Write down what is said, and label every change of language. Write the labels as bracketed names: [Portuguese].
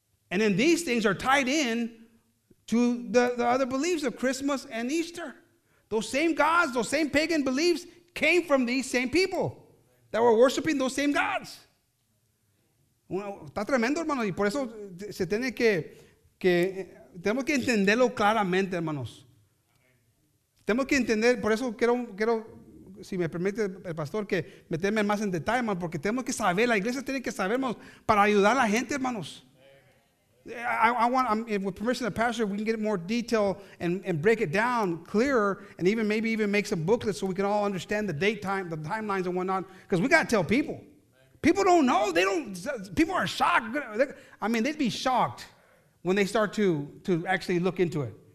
[English] And then these things are tied in to the other beliefs of Christmas and Easter. Those same gods, those same pagan beliefs came from these same people that were worshiping those same gods. [Spanish] Está tremendo, hermanos. Y por eso se tiene que tenemos que entenderlo claramente, hermanos. Tenemos que entender, por eso quiero, si me permite el pastor, que meterme más en detalle, hermano, porque tenemos que saber, la iglesia tiene que saber, hermanos, para ayudar a la gente, hermanos. [English] I'm with permission of the pastor, we can get more detail and break it down clearer and even maybe even make some booklets so we can all understand the date time, the timelines and whatnot, because we got to tell people. People don't know. They don't. People are shocked. I mean, they'd be shocked when they start to actually look into it.